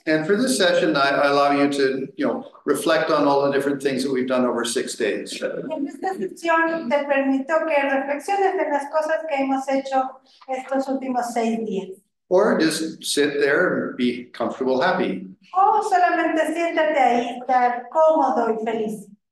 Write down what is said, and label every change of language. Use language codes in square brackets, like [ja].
[en] And for this session, I allow you to, you know, reflect on all the different things that we've done over 6 days. [es] En esta sesión te permito que reflexiones en las cosas que hemos hecho estos últimos 6 días. [en] Or just sit there and be comfortable, happy. [es] O solamente siéntate ahí, estar cómodo y feliz.